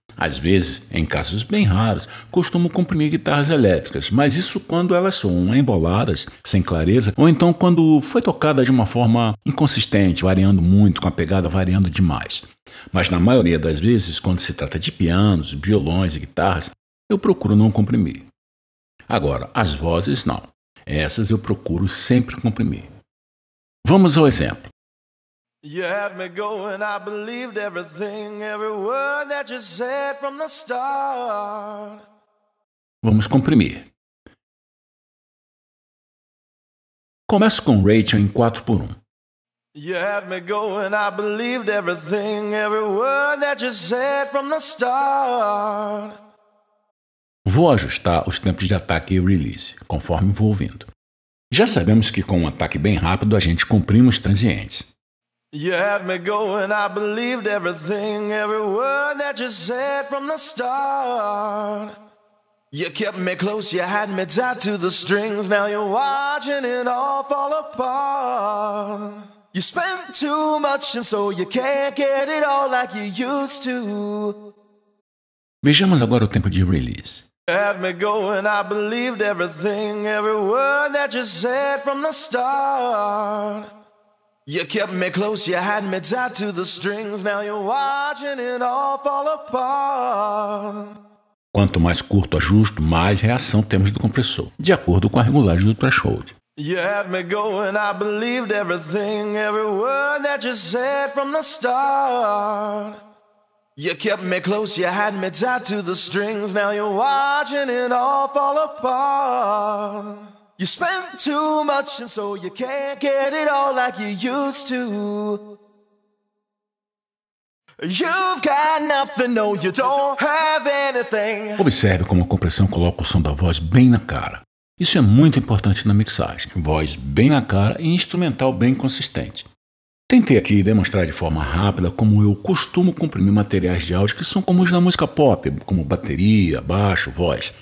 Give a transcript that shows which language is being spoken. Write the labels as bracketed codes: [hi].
[pt] Às vezes, em casos bem raros, costumo comprimir guitarras elétricas, mas isso quando elas são emboladas, sem clareza, ou então quando foi tocada de uma forma inconsistente, variando muito, com a pegada variando demais. Mas na maioria das vezes, quando se trata de pianos, violões e guitarras, eu procuro não comprimir. Agora, as vozes não. Essas eu procuro sempre comprimir. Vamos ao exemplo. [en] You had me going, I believed everything, every word that you said from the start. [pt] Vamos comprimir. Começo com ratio em 4:1. [en] You had me going, I believed everything, every word that you said from the start. [pt] Vou ajustar os tempos de ataque e release, conforme vou ouvindo. Já sabemos que com um ataque bem rápido a gente comprime os transientes. [en] You had me going, I believed everything, every word that you said from the start. You kept me close, you had me tied to the strings, now you're watching it all fall apart. You spent too much and so you can't get it all like you used to. [pt] Vejamos agora o tempo de release. [en] You had me going, I believed everything, every word that you said from the start. You kept me close, you had me tied to the strings, now you're watching it all fall apart. [pt] Quanto mais curto ajusto, mais reação temos do compressor, de acordo com a regulagem do threshold. [en] You had me going, I believed everything, every word that you said from the start. You kept me close, you had me tied to the strings, now you're watching it all fall apart. You spent too much and so you can't get it all like you used to. You've got nothing, no, you don't have anything. [pt] Observe como a compressão coloca o som da voz bem na cara. Isso é muito importante na mixagem. Voz bem na cara e instrumental bem consistente. Tentei aqui demonstrar de forma rápida como eu costumo comprimir materiais de áudio que são comuns na música pop, como bateria, baixo, voz.